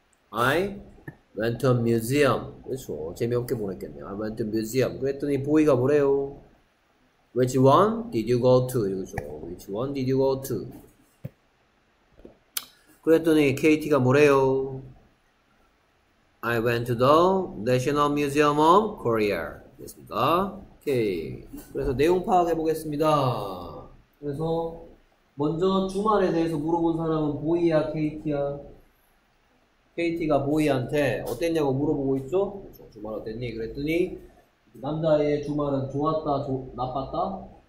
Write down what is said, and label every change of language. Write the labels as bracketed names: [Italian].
[English] I went to a museum. [Korean] 그렇죠. 재미없게 보냈겠네요. [English] I went to a museum. [Korean] 그랬더니 보이가 뭐래요? [English] Which one did you go to? [Korean] 이거죠. [English] Which one did you go to? [Korean] 그랬더니 KT가 뭐래요? [English] I went to the National Museum of Korea. [Korean] 됐습니까? 오케이. 그래서 내용 파악해 보겠습니다. 그래서 먼저 주말에 대해서 물어본 사람은 보이야, KT야? KT가 보이한테 어땠냐고 물어보고 있죠? 그렇죠. 주말 어땠니? 그랬더니 남자의 주말은 좋았다, 나빴다?